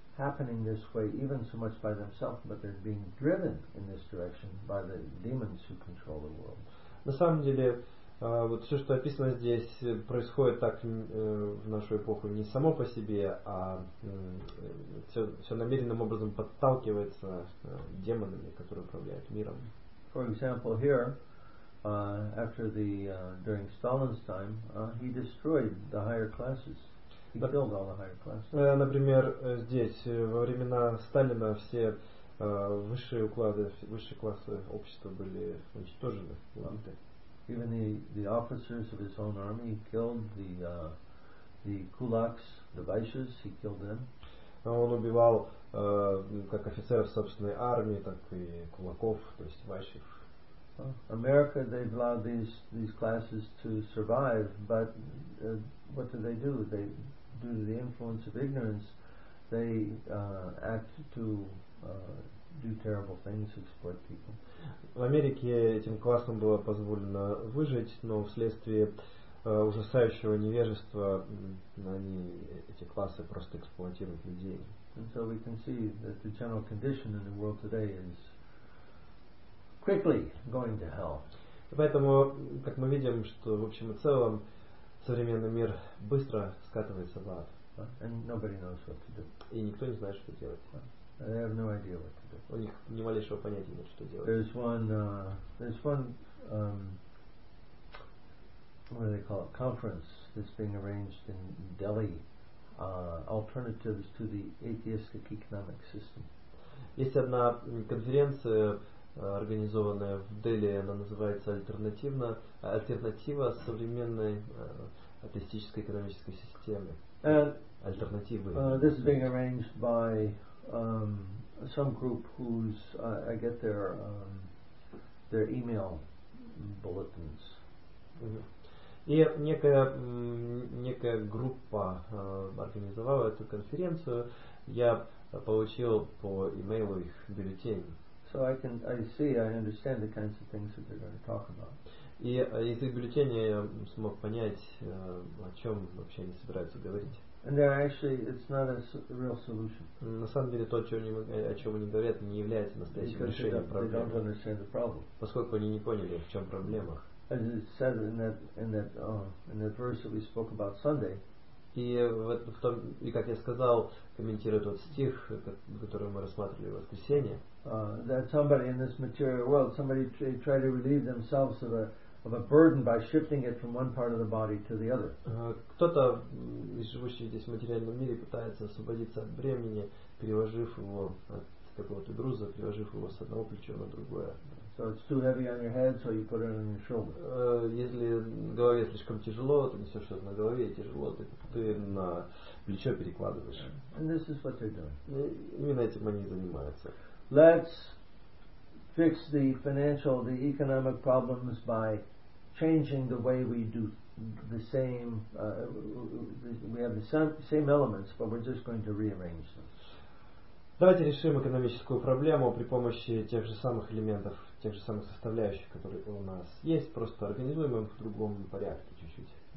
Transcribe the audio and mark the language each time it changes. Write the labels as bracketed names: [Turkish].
[English] happening this way, even so much by themselves, but they're being driven in this direction by the demons who control the world. [Russian] На самом деле, вот все, что описано здесь, происходит так в нашу эпоху не само по себе, а все намеренным образом подталкивается демонами, которые управляют миром. [English] For example, here, after the during Stalin's time, he destroyed the higher classes. [Russian] Например, здесь во времена Сталина все высшие уклады, высшие классы общества были уничтожены. [English] Even the officers of his own army killed the kulaks, the vaishyas, he killed them. [Russian] Он убивал как офицеров собственной армии, так и кулаков, то есть вайшев. [English] America, they've allowed these classes to survive, but what do they do? They due to the influence of ignorance, they act to do terrible things, exploit people. [Russian] В Америке этим классам было позволено выжить, но вследствие ужасающего невежества они, эти классы, просто эксплуатируют людей. [English] And so we can see that the general condition in the world today is quickly going to hell. [Russian] Поэтому, как мы видим, что в общем и целом современный мир быстро скатывается в ад. [English] And nobody knows what to do. [Russian] И никто не знает, что делать. [English] They have no idea what to do. [Russian] У них ни малейшего понятия нет, что делать. [English] There's one, what do they call it, conference that's being arranged in Delhi, alternatives to the atheistic economic system. [Russian] Есть одна конференция, организованная в Дели, она называется «Альтернатива современной атеистической экономической системе». Альтернативы. [English] This is being arranged by some group whose I get their email bulletins. [Russian] И некая группа организовала эту конференцию. Я получил по имейлу их бюллетень. [English] So I understand the kinds of things that they're going to talk about. [Russian] И из их бюллетеня я смог понять, о чем вообще они собираются говорить. [English] And they're actually, it's not a real solution. [Russian] На самом деле, то, о чем они говорят, не является настоящим [English] Because [Russian] решением [English] they [Russian] проблемы. [English] Don't understand the problem. [Russian] Поскольку они не поняли, в чем проблема. [English] As it said in that verse that we spoke about Sunday. [Russian] И как я сказал, комментируя тот стих, который мы рассматривали в воскресенье. [English] That somebody in this material world, somebody try to relieve themselves of a burden by shifting it from one part of the body to the other. [Russian] Кто-то из живущих здесь в материальном мире пытается освободиться от бремени, переложив его от какого-то груза, переложив его с одного плеча на другое. [English] So it's too heavy on your head, so you put it on your shoulder. [Russian] Если голове слишком тяжело, ты несешь что-то на голове, тяжело, ты на плечо перекладываешь. [English] And this is what they're doing. [Russian] Именно этим они занимаются. [English] Let's fix the financial, the economic problems by changing the way we do the same. We have the same elements, but we're just going to rearrange them. [Russian] Давайте решим экономическую проблему при помощи тех же самых элементов, тех же самых составляющих, которые у нас есть, просто организуем их в другом порядке чуть-чуть.